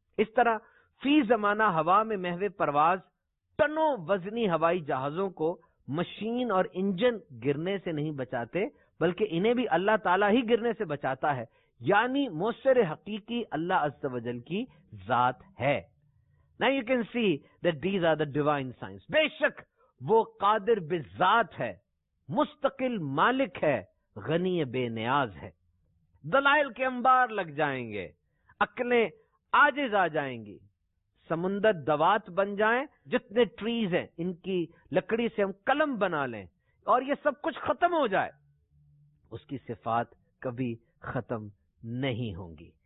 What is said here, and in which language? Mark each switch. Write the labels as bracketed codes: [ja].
[ur] اس طرح فی زمانہ ہوا میں محو پرواز ٹنوں وزنی ہوائی جہازوں کو مشین اور انجن گرنے سے نہیں بچاتے، بلکہ انہیں بھی اللہ تعالیٰ ہی گرنے سے بچاتا ہے. یعنی مؤثر حقیقی اللہ عز و جل کی ذات ہے. [en] Now you can see that these are the divine signs. [ur] بے شک وہ قادر بذات ہے، مستقل مالک ہے، غنی بے نیاز ہے. دلائل کے انبار لگ جائیں گے، عقلیں عاجز آ جائیں گی، سمندر دوات بن جائیں، جتنے ٹریز ہیں ان کی لکڑی سے ہم قلم بنا لیں اور یہ سب کچھ ختم ہو جائے، اس کی صفات کبھی ختم نہیں ہوں گی.